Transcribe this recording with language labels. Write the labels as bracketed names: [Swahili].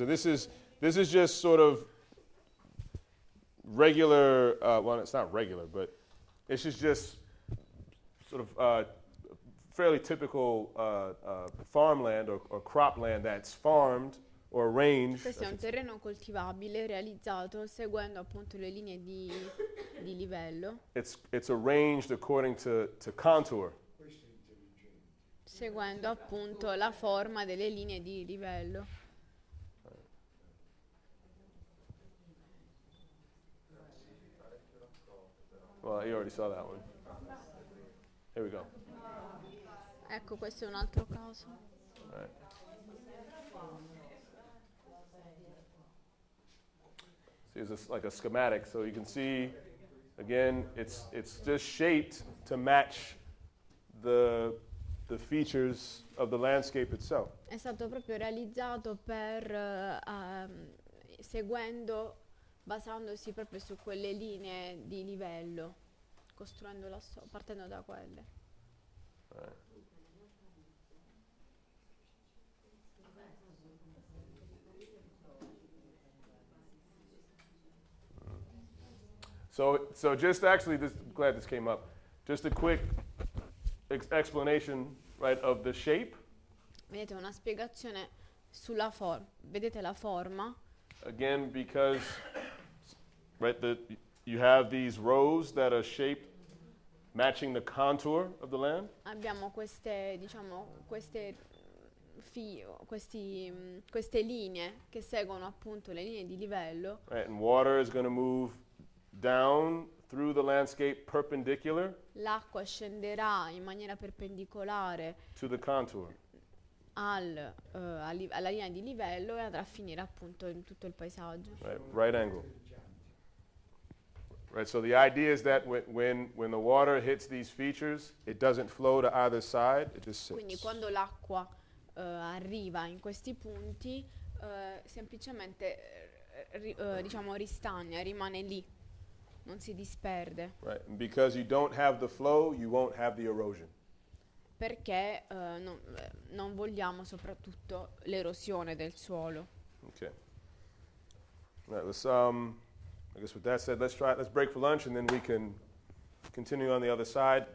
[English] And this is just sort of regular, well, it's not regular, but this is just sort of fairly typical farmland or cropland that's farmed or arranged. [Italian] Questo è un terreno coltivabile realizzato seguendo appunto le linee di livello. [English] It's arranged according to contour. [Italian] Seguendo appunto la forma delle linee di livello. [English] Well, you already saw that one. Here we go. [Italian] Ecco, questo è un altro caso. [English] Right. See, it's like a schematic, so you can see, again, it's just shaped to match the features of the landscape itself. [Italian] È stato proprio realizzato per seguendo, basandosi proprio su quelle linee di livello, costruendo partendo da quelle. [English] Right. So just actually, glad this came up. Just a quick explanation, right, of the shape. [Italian] Vedete una spiegazione sulla forma. Vedete la forma. [English] Again, because, right, you have these rows that are shaped matching the contour of the land. [Italian] Abbiamo queste linee che seguono appunto le linee di livello. [English] Right, and water is going to move down through the landscape perpendicular. [Italian] L'acqua scenderà in maniera perpendicolare [English] to the contour. [Italian] Alla linea di livello e andrà a finire appunto in tutto il paesaggio. [English] Right, right angle. Right, so the idea is that when the water hits these features, it doesn't flow to either side, it just sits. [Italian] Quindi quando l'acqua arriva in questi punti, semplicemente ristagna, rimane lì. Non si disperde. [English] Right, and because you don't have the flow, you won't have the erosion. [Italian] Perché non vogliamo soprattutto l'erosione del suolo. [English] Okay. Right, I guess with that said, let's break for lunch and then we can continue on the other side.